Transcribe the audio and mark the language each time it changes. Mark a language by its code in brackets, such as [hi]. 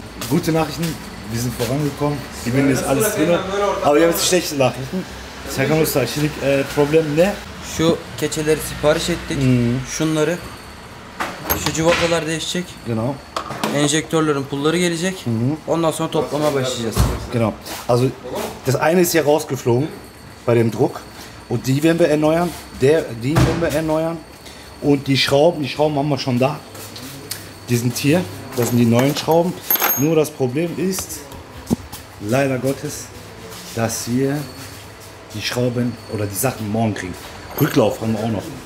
[de] Gute Nachrichten, wir sind vorangekommen, die Binde ist alles drin. Aber wir haben jetzt schlechte Nachrichten. Sagen wir uns da, [tr] şimdi Problem ne? Şu keçeleri sipariş ettik, şunları. Şu civakalar değişecek. [de] Genau. [tr] Enjektörlerin pulları gelecek. Ondan sonra toplama başlayacağız. [de] Genau. Also, das eine ist ja rausgeflogen bei dem Druck. Und die werden wir erneuern. Die werden wir erneuern. Und die Schrauben haben wir schon da. Die sind hier. Das sind die neuen Schrauben. Nur das Problem ist, leider Gottes, dass wir die Schrauben oder die Sachen morgen kriegen. Rücklauf haben wir auch noch.